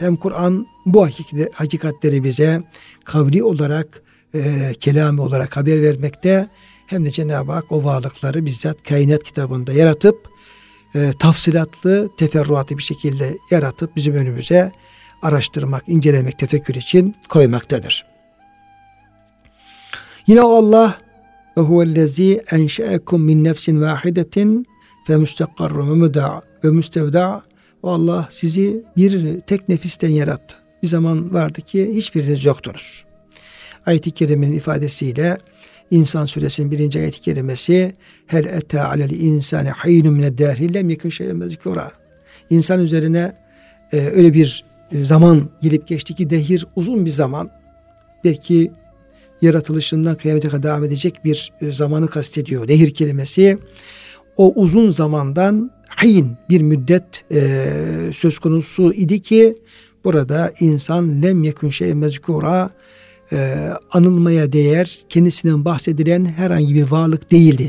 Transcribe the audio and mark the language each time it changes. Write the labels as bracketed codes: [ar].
[tr] Hem Kur'an bu hakikatleri bize kavli olarak, kelami olarak haber vermekte, hem de Cenab-ı Hak o varlıkları bizzat kainat kitabında yaratıp tafsilatlı, teferruatlı bir şekilde yaratıp bizim önümüze araştırmak, incelemek, tefekkür için koymaktadır. Yine o Allah [ar] وَهُوَ الَّذ۪ي اَنْشَأَكُمْ مِنْ نَفْسٍ وَاحِدَةٍ فَمُسْتَقَرُّ وَمُدَعُ وَمُسْتَوْدَعُ. [tr] O Allah sizi bir tek nefisten yarattı. Bir zaman vardı ki hiçbiriniz yoktunuz. Ayet-i Kerim'in ifadesiyle İnsan Suresi'nin 1. ayet-i kerimesi [ar] هَلْ اَتَى عَلَى الْاِنْسَانِ حَيْنٌ مِنَ الدَّهْرِ لَمْ يَكُنْ شَيْءٍ مَذْكُورًا. [tr] İnsan üzerine öyle bir zaman gelip geçti ki dehir uzun bir zaman, belki yaratılışından kıyamete kadar devam edecek bir zamanı kastediyor. Dehir kelimesi o uzun zamandan hayin bir müddet söz konusu idi ki burada insan lem yekun şeyin mezkura, anılmaya değer, kendisinden bahsedilen herhangi bir varlık değildi.